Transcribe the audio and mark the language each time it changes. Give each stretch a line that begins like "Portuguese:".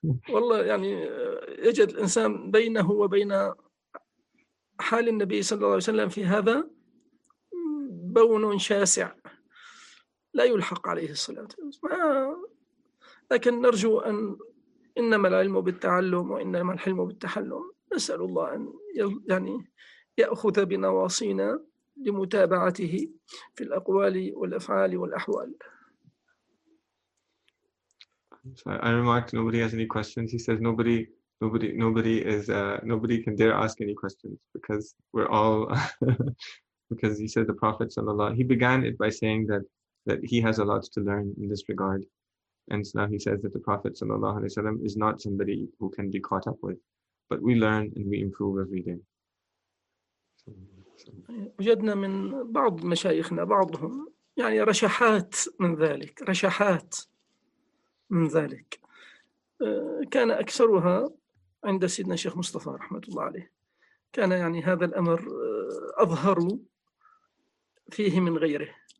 Arabic: والله يعني يجد الإنسان بينه وبين حال النبي صلى الله عليه وسلم في هذا بون شاسع لا يلحق عليه الصلاة والسلام لكن نرجو أن إنما العلم بالتعلم وإنما الحلم بالتحلم نسأل الله أن يعني يأخذ بنواصينا لمتابعته في الأقوال والأفعال والأحوال.
English: So I remarked nobody has any questions. He says nobody is nobody can dare ask any questions because we're all because he said the Prophet sallallahu, he began it by saying that he has a lot to learn in this regard. And so now he says that the Prophet ﷺ is not somebody who can be caught up with, but we learn and we improve every day.
Arabic: وجدنا من بعض مشايخنا بعضهم يعني رشحات من ذلك رشحات من ذلك كان أكثرها عند سيدنا الشيخ مصطفى رحمة الله عليه كان يعني هذا الأمر أظهر فيه من غيره